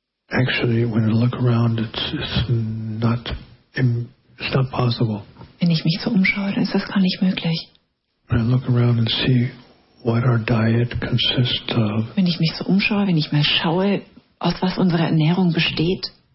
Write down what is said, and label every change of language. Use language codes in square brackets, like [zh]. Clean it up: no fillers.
[en] Actually, when I look around, it's not possible. [de] Wenn ich mich so umschaue, dann ist das gar nicht möglich. [en] When I look around and see what our diet consists of. [de] Wenn ich mich so umschaue, wenn ich mal schaue, aus was unsere Ernährung besteht.